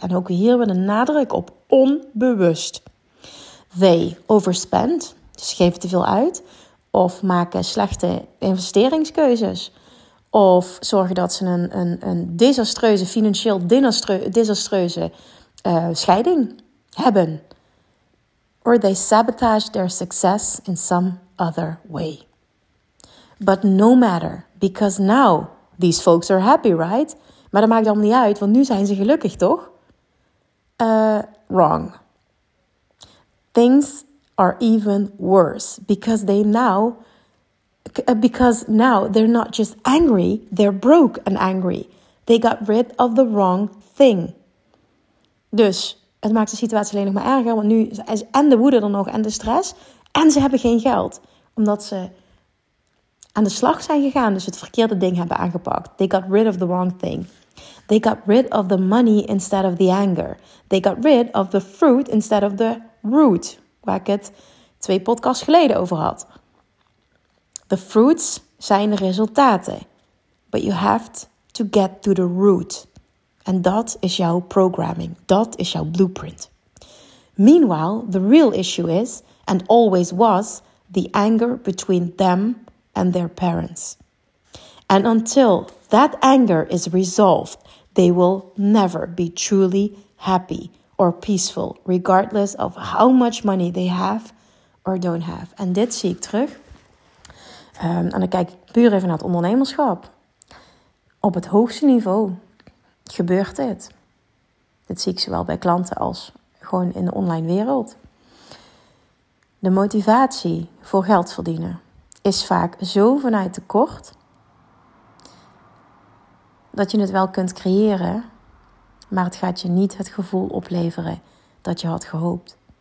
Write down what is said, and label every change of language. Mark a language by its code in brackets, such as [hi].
[nl] En ook hier weer een nadruk op onbewust. [en] They overspend. [nl] Dus geven te veel uit. Of maken slechte investeringskeuzes. Of zorgen dat ze een desastreuze, financieel desastreuze scheiding hebben. [en] Or they sabotage their success in some other way. But no matter, because now these folks are happy, right? [nl] Maar dat maakt allemaal niet uit, want nu zijn ze gelukkig, toch? [en] Wrong. Things are even worse, because now they're not just angry, they're broke and angry. They got rid of the wrong thing. [nl] Dus het maakt de situatie alleen nog maar erger, want nu is en de woede er nog en de stress. En ze hebben geen geld, omdat ze aan de slag zijn gegaan, dus het verkeerde ding hebben aangepakt. [en] They got rid of the wrong thing. They got rid of the money instead of the anger. They got rid of the fruit instead of the root. [nl] Waar ik het twee podcasts geleden over had. [en] The fruits [nl] zijn de resultaten. [en] But you have to get to the root. [nl] En dat is jouw programming. Dat is jouw blueprint. [en] Meanwhile, the real issue is, and always was, the anger between them and their parents. And until that anger is resolved, they will never be truly happy or peaceful, regardless of how much money they have or don't have. [nl] En dit zie ik terug. En dan kijk ik puur even naar het ondernemerschap. Op het hoogste niveau gebeurt dit. Dit zie ik zowel bij klanten als gewoon in de online wereld. De motivatie voor geld verdienen is vaak zo vanuit tekort dat je het wel kunt creëren, maar het gaat je niet het gevoel opleveren dat je had gehoopt.